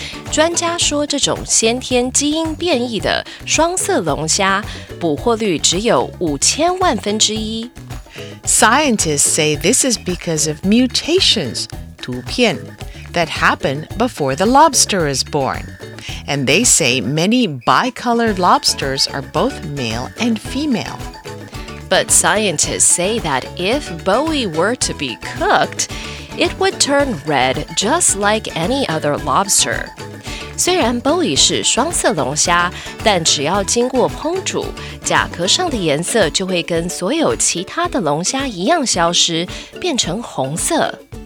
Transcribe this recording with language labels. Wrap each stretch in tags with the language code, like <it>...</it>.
<zh>专家说这种先天基因变异的双色龙虾捕获率只有5000万分之一。</zh> <en>Scientists say this is because of mutations, 突变, that happen before the lobster is born. And they say many bicolored lobsters are both male and female. But scientists say that if Bowie were to be cooked, it would turn red just like any other lobster.</en> <zh>虽然 Bowie 是双色龙虾，但只要经过烹煮，甲壳上的颜色就会跟所有其他的龙虾一样消失，变成红色。</zh>